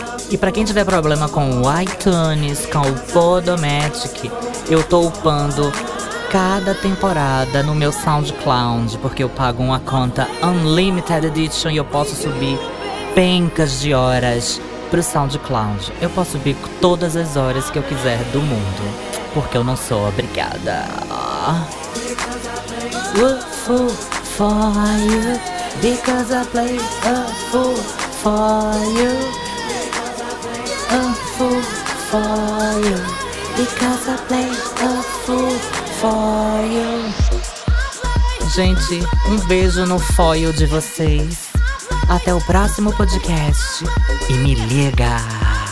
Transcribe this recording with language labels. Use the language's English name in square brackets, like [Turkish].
[Portuguese] E pra quem tiver problema com o iTunes, com o Podomatic, eu tô upando cada temporada no meu SoundCloud, porque eu pago uma conta Unlimited Edition e eu posso subir pencas de horas pro SoundCloud. Eu posso subir todas as horas que eu quiser do mundo, porque eu não sou obrigada. [English] Woo-foo for you, because I play a fool for you. Because I play a fool for you. Because I play a fool for you. [Portuguese] Gente, um beijo no foil de vocês. Até o próximo podcast. E me liga.